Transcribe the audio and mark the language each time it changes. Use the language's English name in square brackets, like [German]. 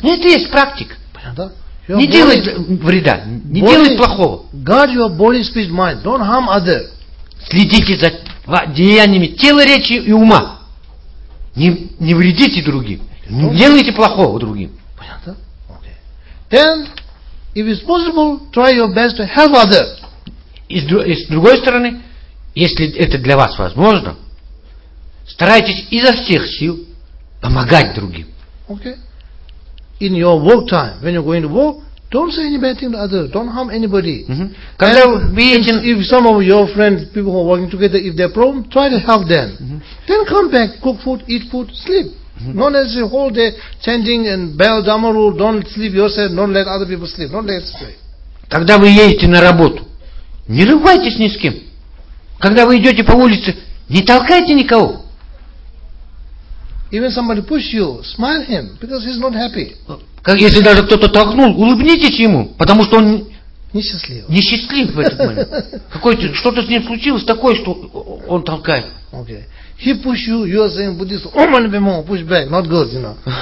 [Russian] Это есть практика. Понятно? Your не делай вреда, не делай плохого. [English] Guard your body, speech, mind. Don't harm other. [Russian] Следите за деяниями тела, речи и ума. Не вредите другим. Не делайте плохого другим. Понятно? [English] then if it's possible, try your best to help others. [Russian] И с другой стороны, если это для вас возможно, старайтесь изо всех сил помогать другим. [English] Okay. In your work time, when you're going to work, don't say any bad thing to others. Don't harm anybody. [Russian] Mm-hmm. Когда вы видите, [English] if some of your friends, people who are working together, if they're problem, try to help them. Mm-hmm. Then come back, cook food, eat food, sleep. Mm-hmm. Not as a whole day chanting and bell dhamma rule. Don't sleep yourself. Don't let other people sleep. Don't let sleep. [Russian] Когда вы едете на работу, не ругайтесь ни с кем. Когда вы идете по улице, не толкайте никого. [English] Even somebody push you, smile him, because he's not happy. [Russian] Как если даже кто-то толкнул, улыбнитесь ему, потому что он несчастлив. Несчастлив в этот момент. Какой-то, что-то с ним случилось такое, что он толкает. [English] Okay. He push you, you are saying Buddhist, oh man, be more, push back, not good, you know.